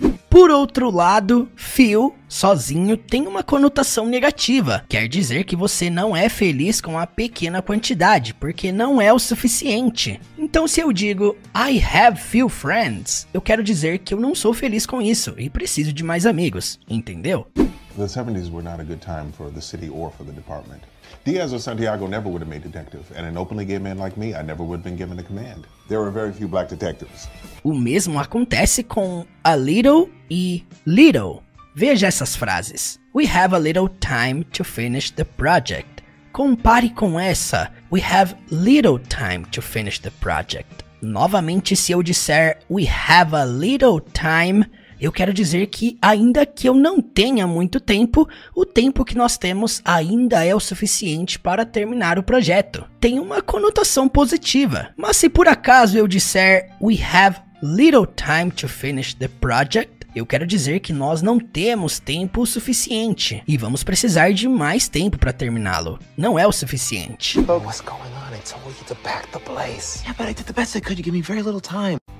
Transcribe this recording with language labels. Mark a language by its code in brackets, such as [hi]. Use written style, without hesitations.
[pt] Por outro lado, few sozinho tem uma conotação negativa. Quer dizer que você não é feliz com a pequena quantidade, porque não é o suficiente. Então se eu digo [en] I have few friends, [pt] eu quero dizer que eu não sou feliz com isso e preciso de mais amigos, entendeu? [en] The 70s were not a good time for the city or for the department. Diaz or Santiago never would have made detective, and an openly gay man like me, I never would have been given a command. There were very few black detectives. [pt] O mesmo acontece com a little e little. Veja essas frases. [en] We have a little time to finish the project. [pt] Compare com essa. [en] We have little time to finish the project. [pt] Novamente, se eu disser [en] we have a little time, [pt] eu quero dizer que, ainda que eu não tenha muito tempo, o tempo que nós temos ainda é o suficiente para terminar o projeto. Tem uma conotação positiva. Mas se por acaso eu disser [en] we have little time to finish the project, [pt] eu quero dizer que nós não temos tempo o suficiente. E vamos precisar de mais tempo para terminá-lo. Não é o suficiente. [en] But what's going on? I told you to pack the place. Yeah, but I did the best I could. You gave me very little time.